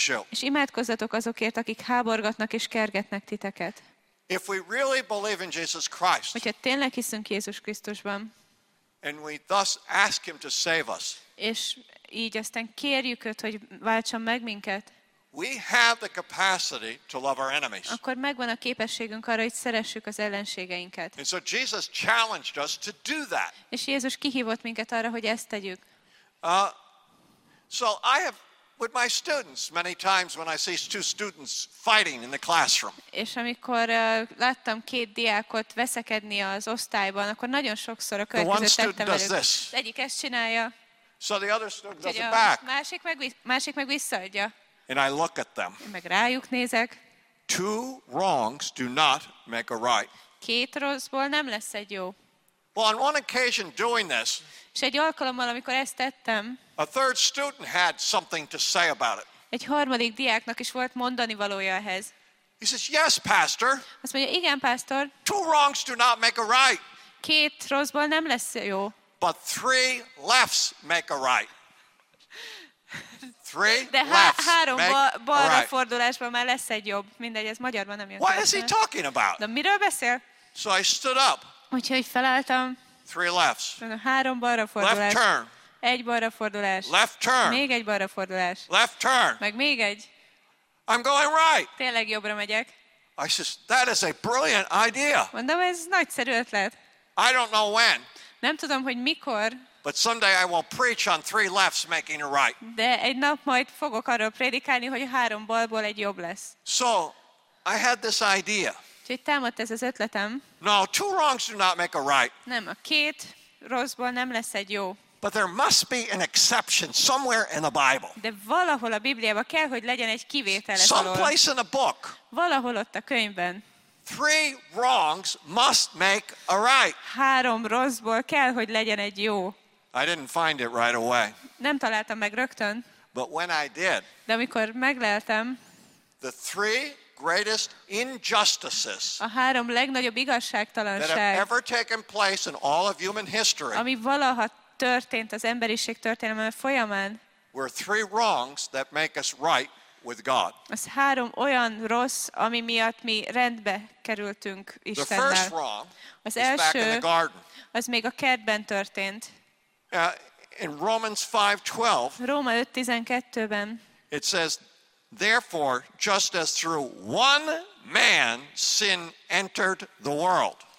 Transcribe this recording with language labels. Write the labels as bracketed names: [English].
[Hungarian] És imádkozzatok azokért, akik háborgatnak és kergetnek titeket. [English] If we really believe in Jesus Christ, [Hungarian] hogyha tényleg hiszünk Jézus Krisztusban, [English] and we thus ask him to save us, [Hungarian] és így aztán kérjük őt, hogy váltson meg minket, [English] we have the capacity to love our enemies. [Hungarian] Akkor megvan a képességünk arra, hogy szeressük az ellenségeinket. [English] And so Jesus challenged us to do that. [Hungarian] És Jézus kihívott minket arra, hogy ezt tegyük. [English] So I have with my students many times when I see two students fighting in the classroom. [Hungarian] És amikor láttam két diákot veszekedni az osztályban, akkor nagyon sokszor a következőt tettem velük. [English] The [Hungarian] egyik ezt csinálja. [English] So the other student does it back. [Hungarian] Másik meg visszaadja. [English] And I look at them. [Hungarian] Én meg rájuk nézek. [English] Two wrongs do not make a right. [Hungarian] Két rosszból nem lesz egy jó. [English] Well, on one occasion doing this, [Hungarian] és egy alkalommal, amikor ezt tettem, [English] a third student had something to say about it. [Hungarian] Egy harmadik diáknak is volt mondani valója ehhez. [English] He says, yes, pastor. [Hungarian] Azt mondja, igen, pásztor. [English] Two wrongs do not make a right. [Hungarian] Két rosszból nem lesz jó. [English] But three lefts make a right. [Hungarian] De három balra fordulásban már lesz egy jobb. Mindegy, ez magyarban nem jön. [English] What is he talking about? [Hungarian] De miről beszél? [English] So I stood up. [Hungarian] Úgyhogy felálltam. [English] Three lefts. [Hungarian] Három balra fordulás. [English] Left turn. [Hungarian] Egy balra fordulás. [English] Left turn. [Hungarian] Még egy balra fordulás. [English] Left turn. [Hungarian] Meg még egy. [English] I'm going right. [Hungarian] Tényleg jobbra megyek. [English] I says, that is a brilliant idea. [Hungarian] Mondom, ez nagyszerű ötlet. [English] I don't know when. [Hungarian] Nem tudom, hogy mikor. [English] But someday I will preach on three lefts making a right. [Hungarian] De egy nap majd fogok arról prédikálni, hogy három balból egy jobb lesz. [English] So, I had this idea. [Hungarian] Úgyhogy támadt ez az ötletem. [English] No, two wrongs do not make a right. [Hungarian] Nem, a két rosszból nem lesz egy jó. [English] But there must be an exception somewhere in the Bible. [Hungarian] De valahol a Bibliában kell, hogy legyen egy kivétel. [English] Someplace in a book. [Hungarian] Valahol ott a könyvben. [English] Three wrongs must make a right. [Hungarian] Három rosszból kell, hogy legyen egy jó. [English] I didn't find it right away. [Hungarian] Nem találtam meg rögtön. [English] But when I did. [Hungarian] De amikor megleltem. [English] The three greatest injustices. [Hungarian] A három legnagyobb igazságtalanság. [English] That have ever taken place in all of human history. [Hungarian] Ami valaha történt az emberiség történelme folyamán. [English] Were three wrongs that make us right with God. [Hungarian] Az három olyan rossz, ami miatt mi rendbe kerültünk Istennel. [English] The first wrong [Hungarian] az első, [English] is back in the garden. [Hungarian] Az még a kertben történt. [English] In Romans 5:12. [Hungarian] Róma 5:12-ben. [English] It says, therefore, just as through one man sin entered the world.